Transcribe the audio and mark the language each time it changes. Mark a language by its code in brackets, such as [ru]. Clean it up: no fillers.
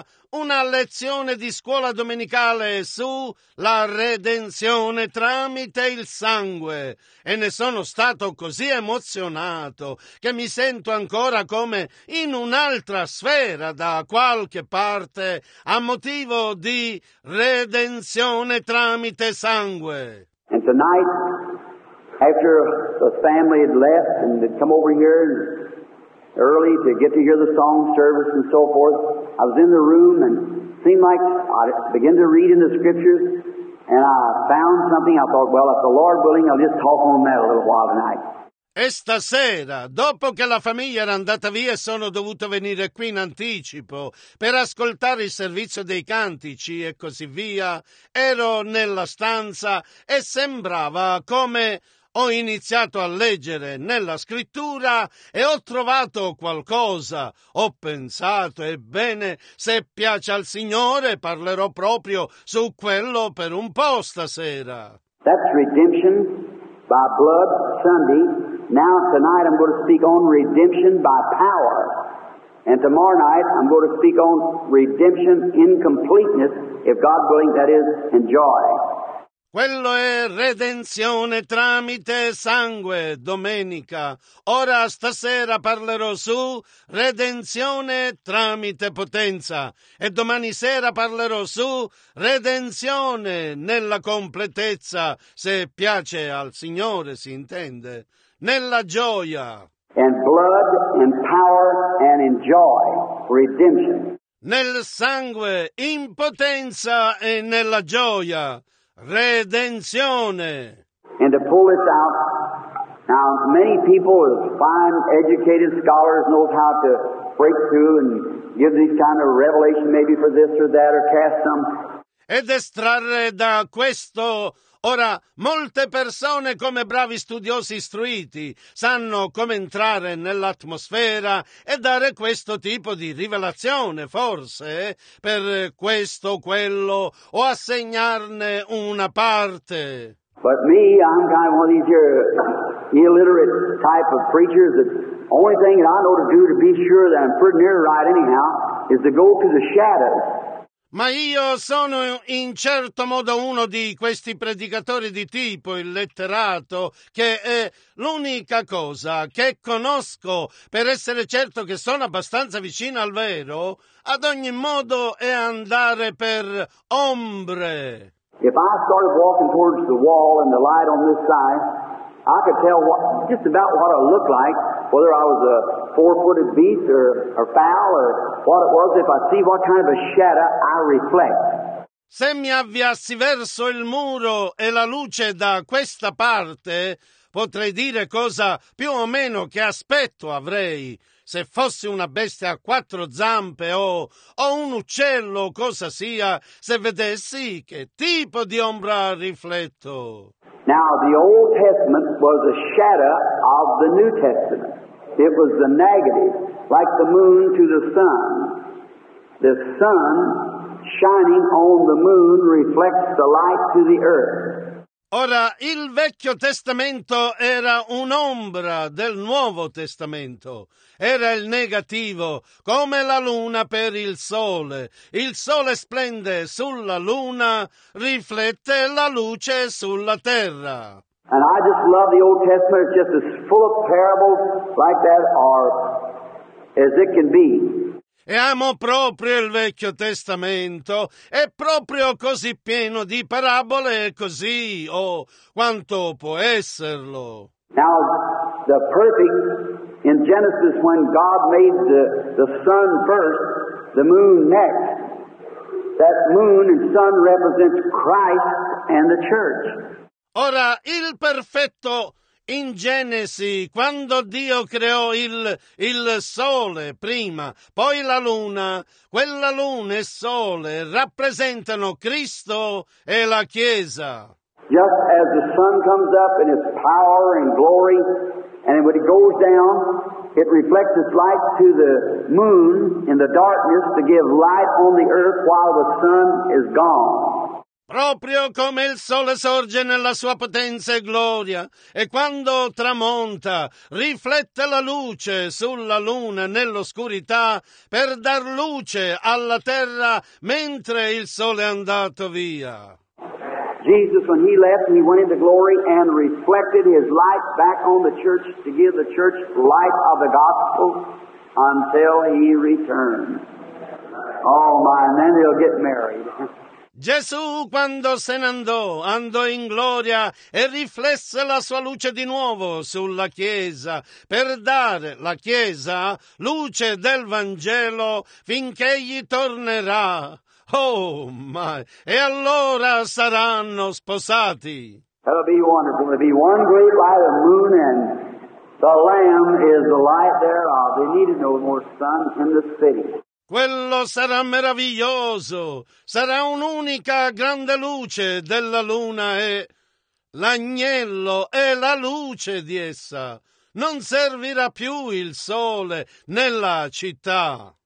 [it] una lezione di scuola domenicale su la redenzione tramite il sangue, e ne sono stato così emozionato che mi sento ancora come in un'altra sfera da qualche parte a motivo di redenzione tramite sangue. [en] And tonight, after the family had left and had come over here early to get to hear the song service and so forth, I was in the room and seemed like I began to read in the scriptures, and I found something. I thought, well, if the Lord willing, I'll just talk on that a little while tonight. [it] E stasera, dopo che la famiglia era andata via, sono dovuto venire qui in anticipo per ascoltare il servizio dei cantici e così via. Ero nella stanza e sembrava come ho iniziato a leggere nella scrittura e ho trovato qualcosa. Ho pensato, ebbene, se piace al Signore, parlerò proprio su quello per un po' stasera. [en] That's redemption by blood Sunday. Now tonight I'm going to speak on redemption by power. And tomorrow night I'm going to speak on redemption in completeness, if God willing, that is, in joy. [it] Quello è redenzione tramite sangue, domenica. Ora stasera parlerò su redenzione tramite potenza. E domani sera parlerò su redenzione nella completezza, se piace al Signore, si intende, nella gioia. [en] And blood, and power, and in joy. Redemption. [it] Nel sangue, in potenza e nella gioia. Redenzione. [en] And to pull this out, now many people, fine educated scholars, know how to break through and give these kind of revelation maybe for this or that or cast some. [it] Ed estrarre da questo, ora molte persone come bravi studiosi istruiti sanno come entrare nell'atmosfera e dare questo tipo di rivelazione, forse, per questo, quello, o assegnarne una parte. [en] But me, I'm kind of one of these illiterate type of preachers. The only thing that I know to do to be sure that I'm pretty near right anyhow is to go to the shadows. [it] Ma io sono in certo modo uno di questi predicatori di tipo illetterato, che è l'unica cosa che conosco per essere certo che sono abbastanza vicino al vero, ad ogni modo è andare per ombre. [en] If I started walking towards the wall and the light on this side, I could tell what, just about what I looked like, whether I was a four-footed beast or fowl or what it was. If I see what kind of a shadow I reflect. [it] Se mi avviassi verso il muro e la luce da questa parte, potrei dire cosa più o meno che aspetto avrei. Se fossi una bestia a quattro zampe o un uccello, cosa sia, se vedessi che tipo di ombra rifletto. [en] Now, the Old Testament was a shadow of the New Testament. It was the negative, like the moon to the sun. The sun shining on the moon reflects the light to the earth. [it] Ora, il Vecchio Testamento era un'ombra del Nuovo Testamento. Era il negativo, come la luna per il sole. Il sole splende sulla luna, riflette la luce sulla terra. [en] And I just love the Old Testament. It's just as full of parables like that, or as it can be. [it] e amo proprio il Vecchio Testamento, è proprio così pieno di parabole, così, oh, quanto può esserlo. [en] Now, the perfect in Genesis when God made the sun first, the moon next. That moon and sun represents Christ and the church. [it] Ora, il perfetto in Genesi, quando Dio creò il sole prima, poi la luna, quella luna e sole rappresentano Cristo e la Chiesa. [en] Just as the sun comes up in its power and glory, and when it goes down, it reflects its light to the moon in the darkness to give light on the earth while the sun is gone. [it] Proprio come il sole sorge nella sua potenza e gloria, e quando tramonta, riflette la luce sulla luna nell'oscurità per dar luce alla terra mentre il sole è andato via. [en] Jesus, when he left, he went into glory and reflected his light back on the church to give the church light of the gospel until he returned. Oh my, and then he'll get married. [it] Gesù, quando se ne andò, andò in gloria e riflesse la sua luce di nuovo sulla Chiesa per dare la Chiesa luce del Vangelo finché egli tornerà. [en] Oh my, [it] e allora saranno sposati. [en] That'll be wonderful. There'll be one great light of moon, and the Lamb is the light thereof. They needed no more sun in the city. [it] Quello sarà meraviglioso. Sarà un'unica grande luce della luna e l'agnello è la luce di essa. Non servirà più il sole nella città.